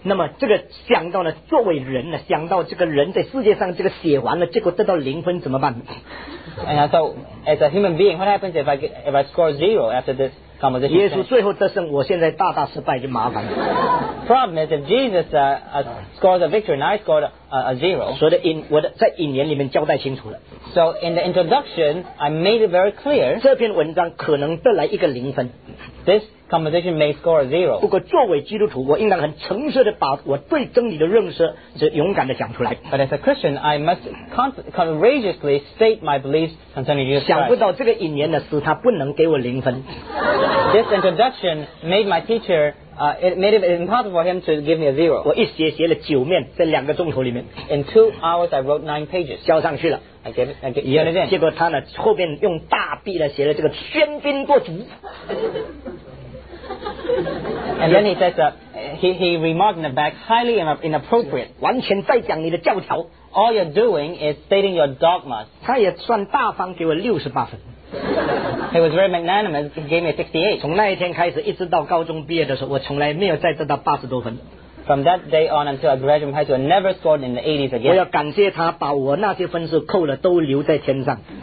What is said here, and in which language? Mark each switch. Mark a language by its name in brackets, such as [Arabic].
[Chinese] 那么这个想到呢，作为人呢，想到这个人在世界上这个写完了，结果得到零分怎么办？ [English] And I thought, as a human being, what happens if I score zero after this composition? [Chinese] 耶稣最后得胜，我现在大大失败就麻烦了。 [English] Problem is if Jesus scores a victory and I scored a zero. [Chinese] 所以在引言里面交代清楚了。 [English] So in the introduction, I made it very clear. [Chinese] 这篇文章可能得来一个零分。 [English] This composition may score a zero. [Chinese] 不过作为基督徒，我应当很诚实的把我对真理的认识是勇敢的讲出来。 [English] But as a Christian, I must courageously state my beliefs concerning Jesus Christ. [Chinese] 想不到这个引言呢，使他不能给我零分。 [English] This introduction made my teacher. It made it impossible for him to give me a zero. [Chinese] 我一写写了九面，在两个钟头里面。 [English] In 2 hours, I wrote 9 pages. [Chinese] 交上去了。 [English] I gave it. [Chinese] 结果他呢，后面用大笔呢写了这个喧宾夺主。 [English] And then he says that he remarked in the back, highly inappropriate. [Chinese] 完全在讲你的教条。 [English] All you're doing is stating your dogmas. [Chinese] 他也算大方，给我68分。 [English] He was very magnanimous. He gave me 68. [Chinese] 从那一天开始，一直到高中毕业的时候，我从来没有再得到八十多分。 [English] From that day on until I graduated high school, I never scored in the 80s again. [Chinese] 我要感谢他把我那些分数扣了，都留在天上。